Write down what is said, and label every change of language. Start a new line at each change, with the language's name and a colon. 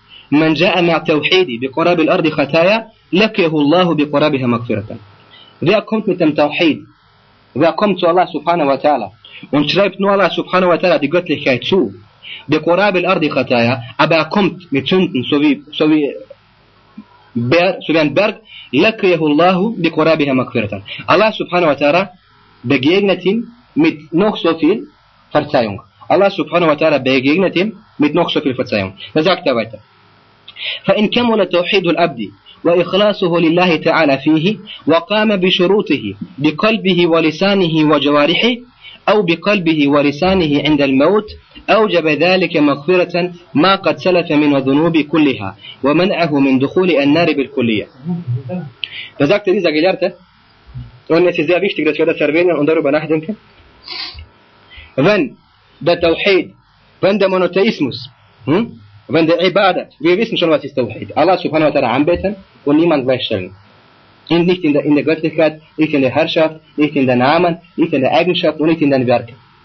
Arabic: من جاء مع توحيدي بقراب الأرض خطايا لقيه الله بقرابها مغفرة.
German: Wer kommt mit dem Tawhid? Wer kommt zu Allah subhanahu wa ta'ala und schreibt nur Allah subhanahu wa ta'ala die Göttlichkeit zu?
Arabic: بقراب الأرض خطايا,
German: aber er kommt mit Sünden so wie ein Berg,
Arabic: لقيه الله بقرابها مغفرة.
German: Allah subhanahu wa ta'ala begegnet ihm mit noch so viel Verzeihung. Allah subhanahu wa ta'ala begegnet ihm mit noch so viel Verzeihung. Da sagt er weiter.
Arabic: فإن كمل توحيد الأبد وإخلاصه لله تعالى فيه وقام بشروطه بقلبه ولسانه وجوارحه أو بقلبه ولسانه عند الموت أوجب ذلك مغفرة ما قد سلف من الذنوب كلها ومنعه من دخول النار بالكلية. فذكرت هذا قلت أن هذا
German: sehr wichtig, dass wir das erwähnen und darüber nachdenken. Wenn der Tawhid, wenn der Monotheismus, wenn der Ibadat, wir wissen schon, was ist Tawhid. Allah subhanahu wa ta'ala anbeten und niemand gleichstellen. Und nicht in der Göttlichkeit, nicht in der Herrschaft, nicht in den Namen, nicht in der Eigenschaft und nicht in den Werken.